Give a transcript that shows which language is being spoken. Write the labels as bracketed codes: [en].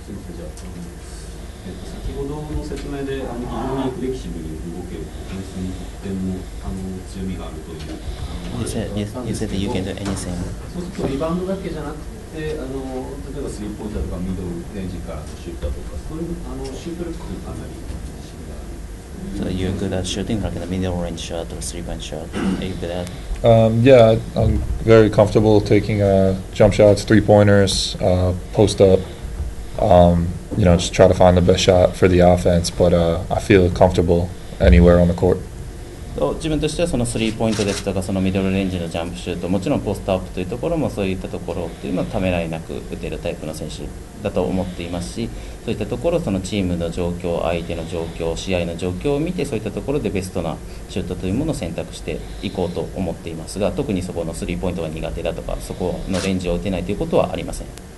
[ja] じゃあ、先ほどの説明で非常にフレキシブルに動ける、フェンスに一点も強みがあるという話だったんですけど、そうするとリバウンドだけじゃなくて、例えばスリーポイントとかミドルレンジからシュートとか、そういうシュート力もかなり自信があるんですね。 [en] So you good at shooting, like in the middle range shot or three point shot? Are you good at? Yeah, I'm very comfortable taking jump shots, three pointers, post up. You know, just try to find the best shot for the offense. But I feel comfortable anywhere on the court. [ja] と自分としてはそのスリーポイントですとかそのミドルレンジのジャンプシュートもちろんポストアップというところもそういったところというのはためらいなく打てるタイプの選手だと思っていますしそういったところそのチームの状況相手の状況試合の状況を見てそういったところでベストなシュートというものを選択していこうと思っていますが特にそこのスリーポイントが苦手だとかそこのレンジを打てないということはありません。